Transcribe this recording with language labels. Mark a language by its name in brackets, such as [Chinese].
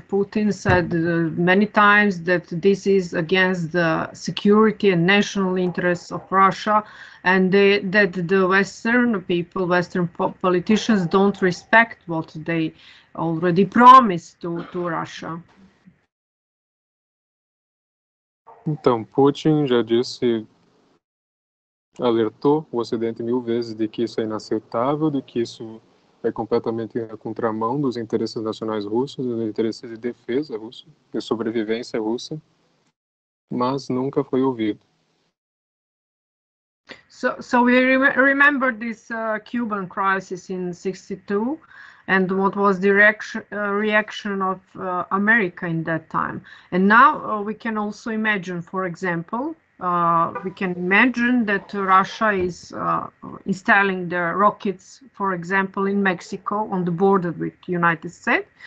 [English] Putin, said many times that this is against the security and national interests of Russia, and that the Western people, Western politicians, don't respect what they already promised to Russia. [Portuguese] Então, Putin já disse, alertou o Ocidente mil vezes de que isso é inaceitável, de que isso é completamente na contramão dos interesses nacionais russos, dos interesses de defesa russa, de sobrevivência russa, mas nunca foi ouvido. [English] So we remember this Cuban crisis in 62, and what was the reaction of America in that time. And now we can also imagine, for example, we can imagine that Russia is installing their rockets, for example, in Mexico on the border with the United States.